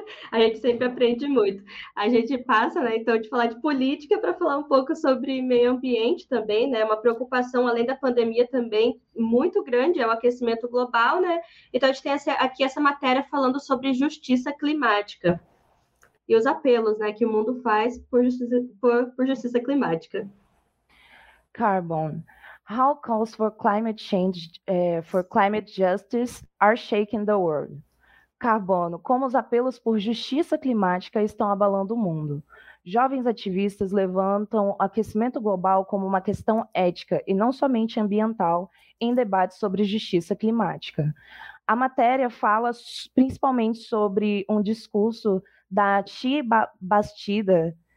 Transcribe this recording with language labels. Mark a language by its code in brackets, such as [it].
[pt] A gente sempre aprende muito. A gente passa, né, então, de falar de política para falar um pouco sobre meio ambiente também, né? Uma preocupação, além da pandemia também, muito grande, é o aquecimento global, né? Então, a gente tem aqui essa matéria falando sobre justiça climática e os apelos, né, que o mundo faz por justiça climática. [en] Carbon. How calls for climate change, for climate justice are shaking the world. [pt] Carbono, como os apelos por justiça climática estão abalando o mundo. Jovens ativistas levantam o aquecimento global como uma questão ética e não somente ambiental em debates sobre justiça climática. A matéria fala principalmente sobre um discurso da Chi Bastida,